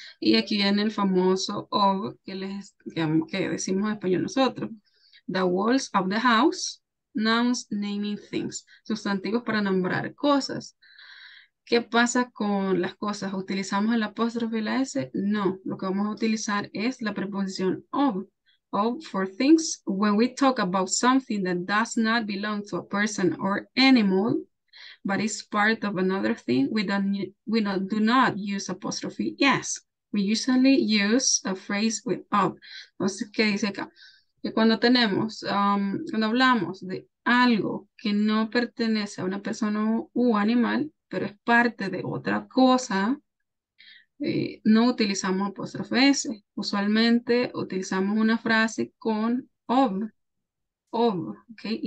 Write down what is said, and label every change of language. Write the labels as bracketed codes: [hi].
[es] Y aquí viene el famoso of que decimos en español nosotros. [en] The walls of the house. Nouns naming things. [es] Sustantivos para nombrar cosas. ¿Qué pasa con las cosas? ¿Utilizamos el apóstrofe y la S? No, lo que vamos a utilizar es la preposición of. [en] Of for things, when we talk about something that does not belong to a person or animal, but is part of another thing, we do not use apostrophe. Yes, we usually use a phrase with of. [es] Entonces, ¿qué dice acá? Que cuando tenemos, cuando hablamos de algo que no pertenece a una persona u animal, pero es parte de otra cosa, no utilizamos apóstrofe S. Usualmente utilizamos una frase con of, okay?